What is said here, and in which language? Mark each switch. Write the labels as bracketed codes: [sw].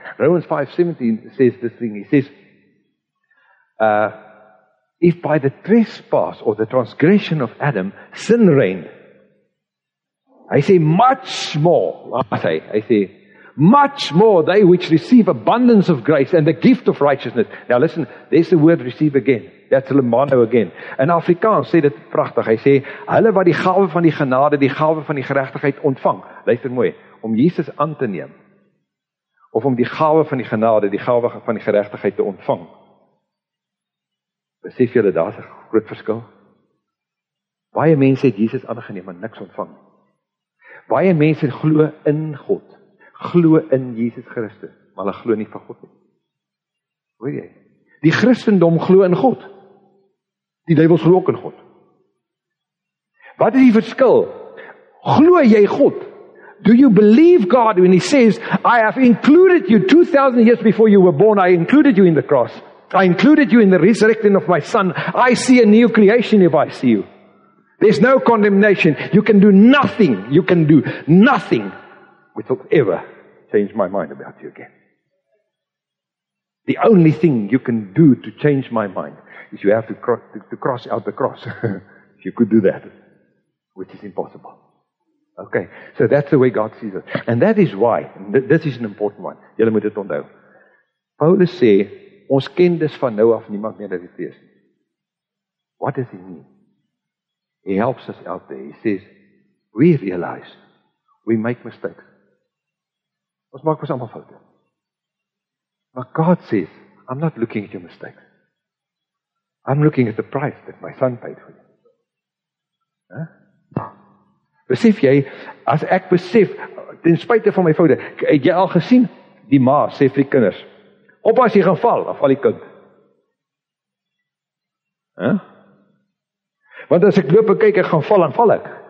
[en] Romans 5:17 says this thing. He says, if by the trespass or the transgression of Adam, sin reigned, I say much more, I say, much more they which receive abundance of grace and the gift of righteousness. Now listen, there's the word receive again. That's lambano again. [af] In Afrikaans sê dit prachtig. Hy sê, hulle wat die gawe van die genade, die gawe van die gerechtigheid ontvang. Luister mooi, om Jesus aan te neem, of om die gawe van die genade, die gawe van die gerechtigheid te ontvang. Besef julle, daar is een groot verskil. Baie mense het Jesus aangeneem en niks ontvang. Baie mense glo in God, glo in Jesus Christus, maar hulle glo nie van God nie. Hoor jy? Die Christendom glo in God. Die duivels glo ook in God. Wat is die verskil? Glo jy God? [en] Do you believe God when he says, I have included you 2,000 years before you were born, I included you in the cross. I included you in the resurrection of my son. I see a new creation if I see you. There's no condemnation. You can do nothing. You can do nothing which will ever change my mind about you again. The only thing you can do to change my mind is you have to cross out the cross. If you could do that, which is impossible. Okay, so that's the way God sees it. And that is why, this is an important one. [af] Julle moet dit onthou. Paulus sê, ons ken dus van nou af niemand meer dat hy wees. [en] What does he mean? He helps us out there. He says, we realize, we make mistakes. [af] Ons maak ons allemaal fouten. [en] But God says, I'm not looking at your mistakes. I'm looking at the price that my son paid for you. Huh? [af] Besef jy, as ek besef, ten spuite van my foute, het jy al gesien, die ma sê vir die kinders, op as jy gaan val, of al die kind. Huh? Want as ek loop en kyk, ek gaan val, en val ek.